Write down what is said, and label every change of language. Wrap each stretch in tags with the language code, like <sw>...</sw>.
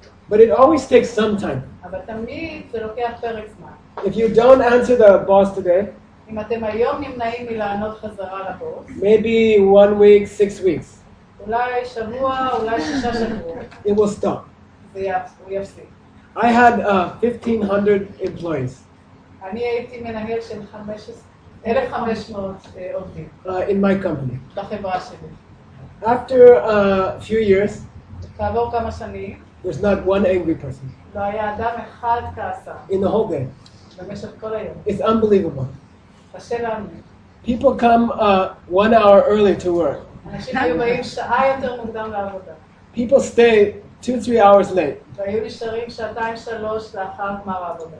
<en>But it always takes some time.</en> <he>אבל תמיד זה לוקח פרק זמן.</he> <en>If you don't answer the boss today,</en> <he>אם אתם היום נמנעים מלענות חזרה לבוס,</he> <en>maybe 1 week, 6 weeks.</en> <he>אולי שבוע, אולי 6 שבועות.</he> <en>It will stop.</en> <he>זה יפסיק.</he> <en>I had 1,500 employees.</en> <he>אני הייתי מנהל של 1,500 עובדים.</he> <en>In my company.</en> <he>בחברה שלי.</he> <en>After a few years,</en> <he>כעבור כמה שנים,</he> <en>there's not one angry person.</en> <he>לא היה אדם אחד כעסה.</he> <en>In the whole day.</en> <he>במשך כל היום.</he> <en>It's unbelievable.</en> <he>קשה להאמין.</he> <en>People come 1 hour early to work.</en> <he>אנשים היו באים שעה יותר מוקדם לעבודה.</he> <en>People stay 2-3 hours late.</en> <he>והיו נשארים שעתיים שלוש לאחר גמר העבודה.</he>